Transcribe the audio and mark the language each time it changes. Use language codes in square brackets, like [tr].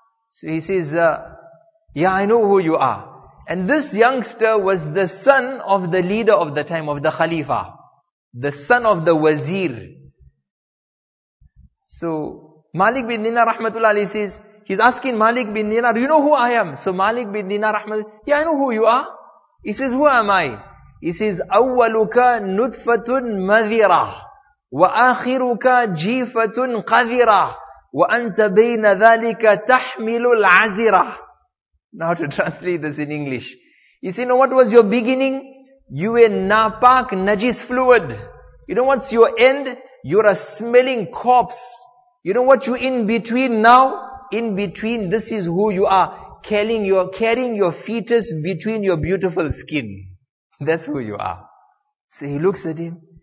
[en] So he says, yeah, I know who you are. And this youngster was the son of the leader of the time, of the Khalifa. The son of the wazir. So Malik bin Dinar rahmatullah alayhi says, he's asking Malik bin Dinar, you know who I am? So Malik bin Dinar rahmatullah, yeah, I know who you are. He says, who am I? He says, [ar] أَوَّلُكَ نُطْفَةٌ مَذِرَةٌ وَآخِرُكَ جِيفَةٌ قَذِرَةٌ وَأَنْتَ بَيْنَ ذَلِكَ تَحْمِلُ الْعَزِرَةٌ. [en] Now to translate this in English. You see, now what was your beginning? You were napak, najis fluid. You know what's your end? You're a smelling corpse. You know what you're in between now? In between, this is who you are. Carrying your fetus between your beautiful skin. That's who you are. So he looks at him.